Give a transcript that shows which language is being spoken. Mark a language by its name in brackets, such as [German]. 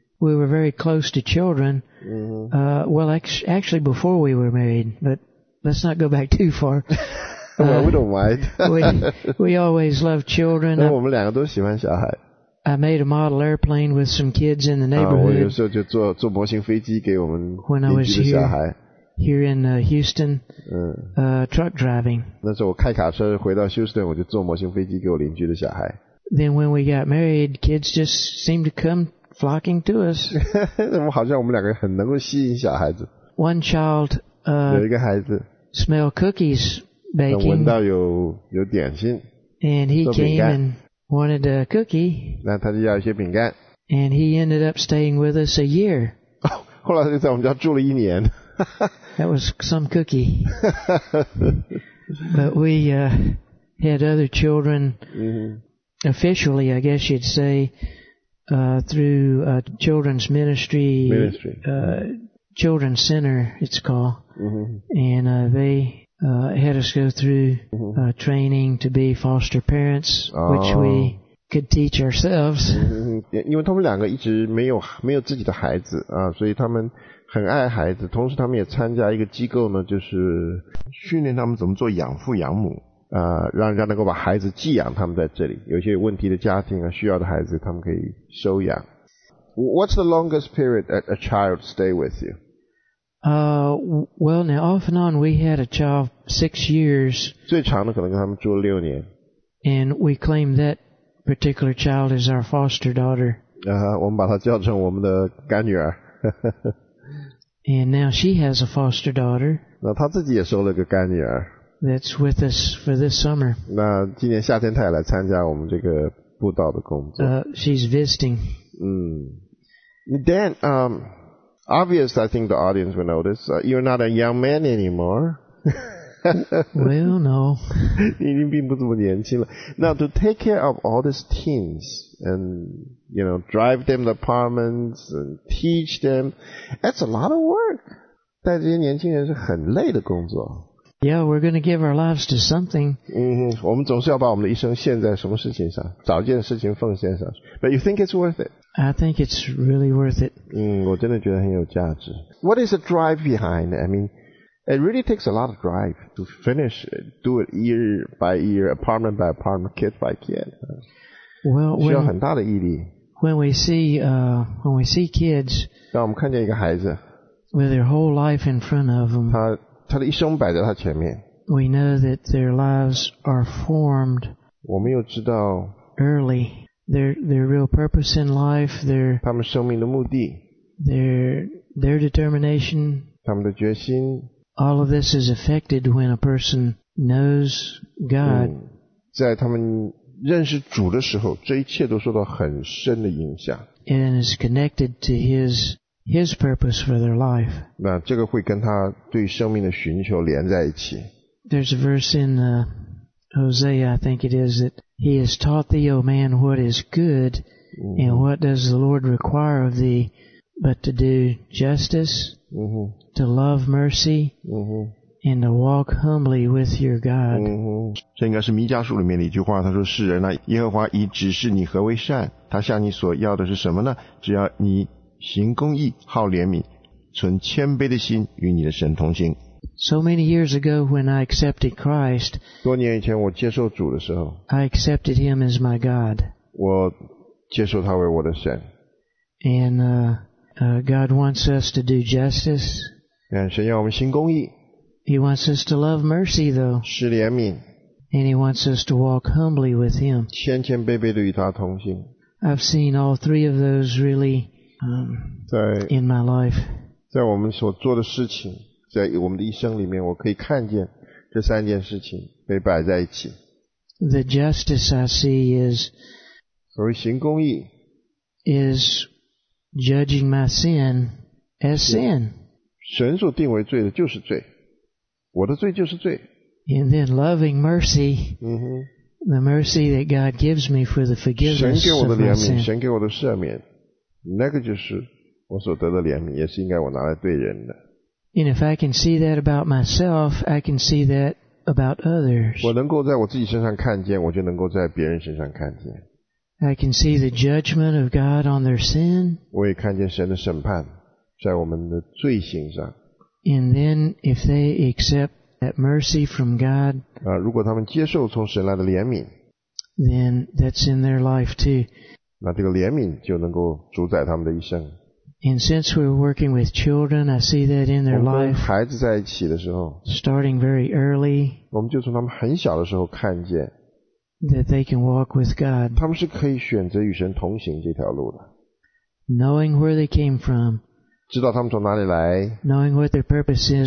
[English] we were very close to children.、 Mm-hmm. Actually before we were married, but let's not go back too far. well, we don't mind. we always loved children. [Chinese] 我们两个都喜欢小孩。 [English] I made a model airplane with some kids in the neighborhood. [Chinese] 我有时候就做模型飞机给我们邻居的小孩。 [English] Here in Houston,、嗯、 truck driving. [Chinese] 那时候我开卡车回到 Houston, 我就坐模型飞机给我邻居的小孩。 [English] Then when we got married, kids just seemed to come flocking to us. [Chinese] 好像我们两个很能够吸引小孩子。 [English] One child, [Chinese] 有一个孩子 [English] smell cookies baking. [Chinese] 闻到有点心。 [English] And he came and wanted a cookie. [Chinese] 那他就要一些饼干。 [English] And he ended up staying with us a year. [Chinese] 后来就在我们家住了一年。 [English] That was some cookie. But we had other children,、 mm-hmm. officially, I guess you'd say, through children's ministry.、Children's Center, it's called.、 Mm-hmm. And they had us go through、 mm-hmm. Training to be foster parents,、 oh. which we could teach ourselves. [Chinese] 因为他们两个一直没有自己的孩子、所以他们很爱孩子，同时他们也参加一个机构呢，就是训练他们怎么做养父养母，让人家能够把孩子寄养他们在这里。有些有问题的家庭啊，需要的孩子，他们可以收养。 [English] What's the longest period a child stay with you? Well, now off and on, we had a child 6 years. [Chinese] 最长的可能跟他们住了六年。 [English] And we claim that particular child is our foster daughter. [Chinese] 我们把她叫成我们的干女儿。 [English] And now she has a foster daughter. [Chinese] 那她自己也收了个干女儿。 [English] That's with us for this summer. [Chinese] 那今年夏天她也来参加我们这个布道的工作。 [English] She's visiting. 嗯。 Dan, obvious I think the audience will notice, you're not a young man anymore. Well, no. [Chinese] 你已经并不这么年轻了。 [English] Now, to take care of all these teens and, you know, drive them to the apartments and teach them, that's a lot of work. [Chinese] 带这些年轻人是很累的工作。 [English] Yeah, we're going to give our lives to something. [Chinese] 我们总是要把我们的一生献在什么事情上，找一件事情奉献上。 [English] But you think it's worth it? I think it's really worth it. [Chinese] 我真的觉得很有价值。 [English] What is the drive behind it? I mean,It really takes a lot of drive to finish it, do it year by year, apartment by apartment, kid by kid. Well, [Chinese] 需要很大的毅力。 [English] When we see kids, [Chinese] 当我们看见一个孩子 [English] with their whole life in front of them, [Chinese] 他的一生摆在他前面。 [English] We know that their lives are formed. [Chinese] 我们又知道 [English] early their real purpose in life, their [Chinese] 他们生命的目的 [English] their determination, [Chinese] 他们的决心。 [English] All of this is affected when a person knows God. [Chinese] 在他们认识主的时候，这一切都受到很深的影响。 [English] And is connected to his purpose for their life. [Chinese] 那这个会跟他对生命的寻求连在一起。 [English] There's a verse in Hosea, I think it is, that he has taught thee, O man, what is good, and what does the Lord require of thee, but to do justice. Mm-hmm. To love mercy、 mm-hmm. and to walk humbly with your God.、 Mm-hmm. [Chinese] 这应该是弥迦书里面的一句话，他说世人呢、啊、耶和华已指示你何为善，他向你所要的是什么呢？只要你行公义，好怜悯，存谦卑的心，与你的神同行。 [English] So many years ago when I accepted Christ, [Chinese] 多年以前我接受主的时候 [English] I accepted him as my God. [Chinese] 我接受他为我的神。 [English] And God wants us to do justice. [Chinese] 神要我们行公义。 [English] He wants us to love mercy, though. [Chinese] 是怜悯。 [English] And he wants us to walk humbly with him. [Chinese] 谦谦卑卑地与他同行。 [English] I've seen all three of those really, in my life. [Chinese] 在我们所做的事情，在我们的一生里面，我可以看见这三件事情被摆在一起。 [English] The justice I see is, [Chinese] 所谓行公义 [English] is judging my sin as sin. [Chinese] 神所定为罪的就是罪，我的罪就是罪。 [English] And then loving mercy, the mercy that God gives me for the forgiveness of my sin. [Chinese] 神给我的赦免，那个就是我所得的怜悯，也是应该我拿来对人的。 [English] And if I can see that about myself, I can see that about others. [Chinese] 我能够在我自己身上看见，我就能够在别人身上看见。 [English] I can see the judgment of God on their sin. [Chinese] 我也看见神的审判在我们的罪行上。 [English] And then if they accept that mercy from God, [Chinese] 如果他们接受从神来的怜悯， [English] then that's in their life too. [Chinese] 那这个怜悯就能够主宰他们的一生。 [English] And since we're working with children, I see that in their life. [Chinese] 我们跟孩子在一起的时候， [English] starting very early, [Chinese] 我们就从他们很小的时候看见， [English] that they can walk with God. [Chinese] 他们是可以选择与神同行这条路的。 [English] Knowing where they came from, [Chinese] 知道他们从哪里来， [English] knowing what their purpose is in life,